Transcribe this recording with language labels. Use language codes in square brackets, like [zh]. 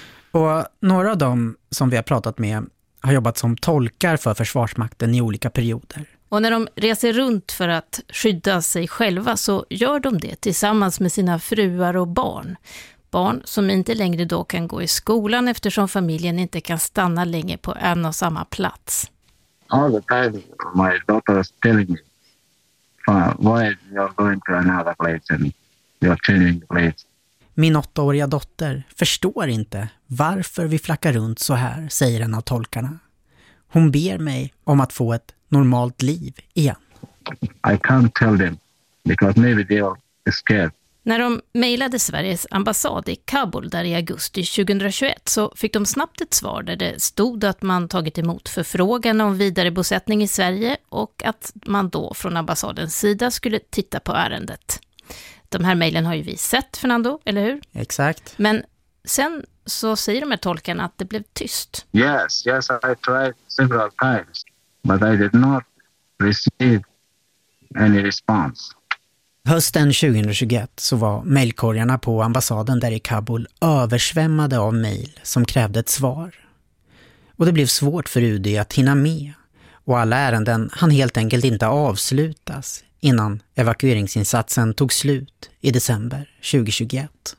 [sv] Och några av dem som vi har pratat med har jobbat som tolkar för försvarsmakten i olika perioder. Och när de reser runt för att skydda sig själva så gör de det tillsammans med sina fruar och barn. Barn som inte längre då kan gå i skolan eftersom familjen inte kan stanna länge på en och samma plats. [en] All the time my daughter is telling me, why you're going to another place and you're changing place. [sv] Min 8-åriga dotter förstår inte varför vi flackar runt så här, säger en av tolkarna. Hon ber mig om att få ett normalt liv igen. [en] I can't tell them because maybe they are scared. [sv] När de mejlade Sveriges ambassad i Kabul där i augusti 2021 så fick de snabbt ett svar där det stod att man tagit emot förfrågan om vidare bosättning i Sverige och att man då från ambassadens sida skulle titta på ärendet. De här mejlen har ju vi sett, Fernando, eller hur? Exakt. Men sen så säger de här tolkarna att det blev tyst. [en] Yes, yes, I tried several times, but I did not receive any response. [sv] Hösten 2021 så var mejlkorgarna på ambassaden där i Kabul översvämmade av mejl som krävde ett svar. Och det blev svårt för UD att hinna med. Och alla ärenden hann helt enkelt inte avslutas innan evakueringsinsatsen tog slut i december 2021.